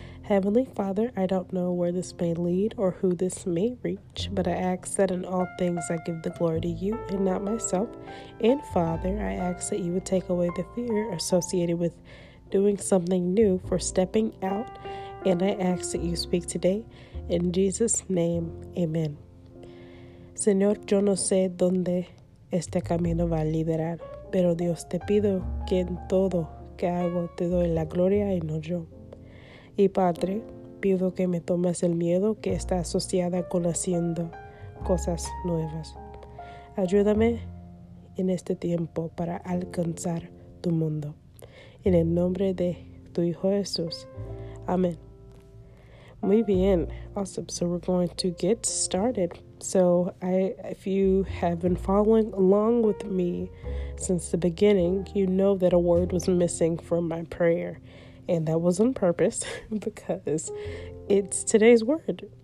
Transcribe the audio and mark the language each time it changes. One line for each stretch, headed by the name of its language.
English: Heavenly Father, I don't know where this may lead or who this may reach, but I ask that in all things I give the glory to you and not myself. And Father, I ask that you would take away the fear associated with doing something new, for stepping out, and I ask that you speak today. In Jesus' name, amen.
Spanish: Señor, yo no sé dónde este camino va a liderar, pero Dios te pido que en todo que hago te doy la gloria y no yo. Y Padre, pido que me tomes el miedo que está asociada con haciendo cosas nuevas. Ayúdame en este tiempo para alcanzar tu mundo. En el nombre de tu Hijo Jesús. Amen. Muy bien.
English: Awesome. So we're going to get started. So if you have been following along with me since the beginning, you know that a word was missing from my prayer. And that was on purpose because it's today's word.